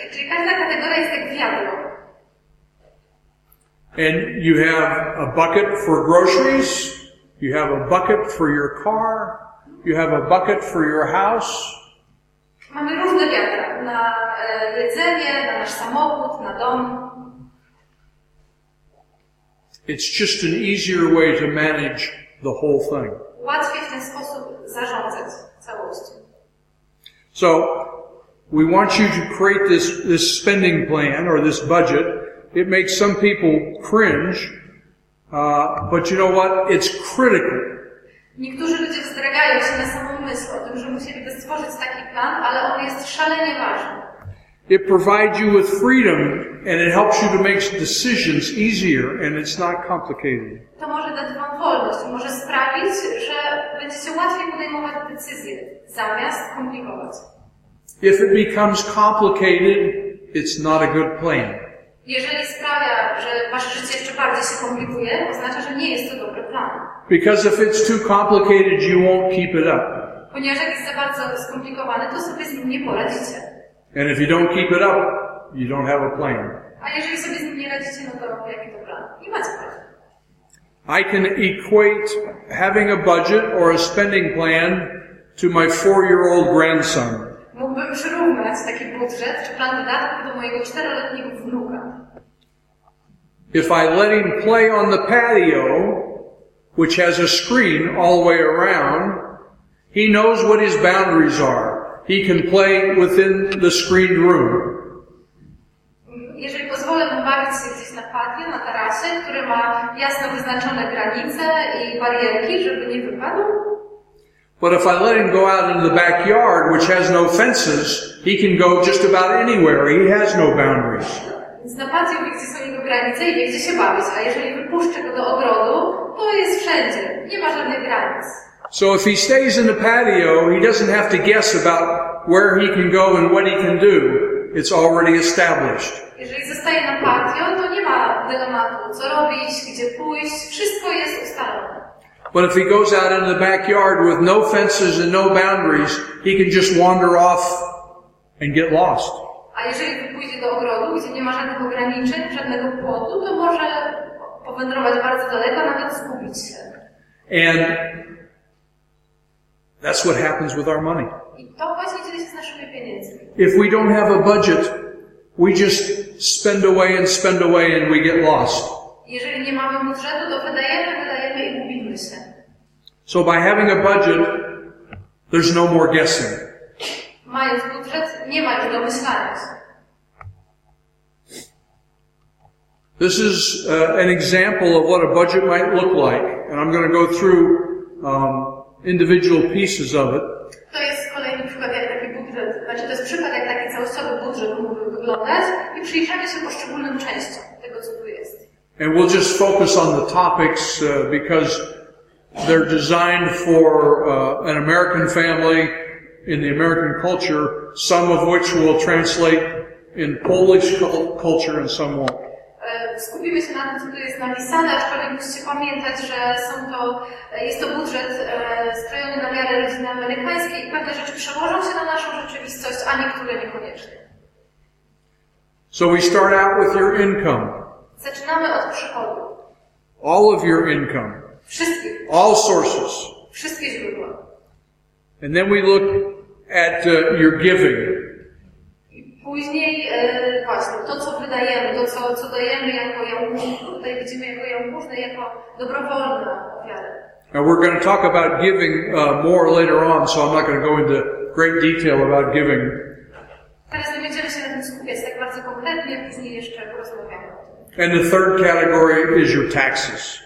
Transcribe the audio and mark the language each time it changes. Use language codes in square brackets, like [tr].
[pl] Czyli każda kategoria jest jak wiadro. [en] And you have a bucket for groceries. You have a bucket for your car. You have a bucket for your house. [pl] Mamy różne wiadra na jedzenie, na nasz samochód, na dom. [en] It's just an easier way to manage the whole thing. [pl] Łatwiej w ten sposób zarządzać całością. [en] So, we want you to create this spending plan or this budget. It makes some people cringe. But you know what? It's critical. [pl] Niektórzy ludzie wzdragają się na samą myśl o tym, że musieliby stworzyć taki plan, ale on jest szalenie ważny. [en] It provides you with freedom and it helps you to make decisions easier and it's not complicated. [pl] To może dać wam wolność, może sprawić, że będziecie łatwiej podejmować decyzje zamiast komplikować. [en] If it becomes complicated it's not a good plan. [pl] Jeżeli sprawia, że wasze życie jeszcze bardziej się komplikuje, to oznacza, że nie jest to dobry plan. [en] Because if it's too complicated, you won't keep it up. [pl] Ponieważ jak jest za bardzo skomplikowane, to sobie z nim nie poradzicie. [en] And if you don't keep it up, you don't have a plan. [pl] A jeżeli sobie z nim nie radzicie, no to jaki to plan? Nie macie plan. [en] I can equate having a budget or a spending plan to my four-year-old grandson. [pl] Mógłbym przyrównać taki budżet czy plan wydatków do mojego czteroletniego wnuka. [en] If I let him play on the patio, which has a screen all the way around, he knows what his boundaries are. He can play within the screened room. [pl] Jeżeli pozwolę mu bawić się gdzieś na patio, na tarasie, które ma jasno wyznaczone granice i barierki, żeby nie wypadł. [en] But if I let him go out in the backyard, which has no fences, he can go just about anywhere. He has no boundaries. [pl] Więc na patio, gdzie są jego granice i wie, gdzie się bawić. A jeżeli wypuszczę go do ogrodu, to jest wszędzie. Nie ma żadnych granic. [en] So if he stays in the patio, he doesn't have to guess about where he can go and what he can do. It's already established. [pl] Jeżeli zostaje na patio, to nie ma dylematu, co robić, gdzie pójść. Wszystko jest ustalone. [en] But if he goes out in the backyard with no fences and no boundaries, he can just wander off and get lost. [pl] A jeżeli pójdzie do ogrodu, gdzie nie ma żadnych ograniczeń, żadnego płotu, to może powędrować bardzo daleko, nawet zgubić się. [en] And that's what happens with our money. [pl] I to właśnie dzieje się z naszymi pieniędzmi. [en] If we don't have a budget, we just spend away and we get lost. [pl] Jeżeli nie mamy budżetu, to wydajemy, wydajemy i gubimy się. [en] So by having a budget, there's no more guessing. [pl] Mając budżet, nie ma już domyślania. [en] This is an example of what a budget might look like, and I'm going to go through individual pieces of it. [pl] To jest kolejny przykład, jak taki budżet, znaczy to jest przykład, jak taki całościowy budżet mógłby wyglądać, i przyjrzymy się poszczególnym częściom tego, co tu jest. [en] And we'll just focus on the topics because they're designed for an American family in the American culture, some of which will translate in Polish culture and some won't. [pl] Skupimy się na tym, co tu jest napisane, aczkolwiek musicie pamiętać, że są to, jest to budżet skrojony na miarę rodziny amerykańskiej i pewne rzeczy przełożą się na naszą rzeczywistość, a niektóre niekoniecznie. [en] So we start out with your income. [pl] Zaczynamy od przychodu. [en] All of your income. [pl] Wszystkich. [en] All sources. [pl] Wszystkie źródła. [en] And then we look at your giving. [pl] Później, właśnie, to co wydajemy, to co dajemy jako jałmużnę, tutaj widzimy jako jałmużnę, jako dobrowolną ofiarę. [en] Now we're going to talk about giving more later on, so I'm not going to go into great detail about giving. [pl] Teraz nie będziemy się na tym skupiać tak bardzo konkretnie, później jeszcze porozmawiamy. [en] And the third category is your taxes.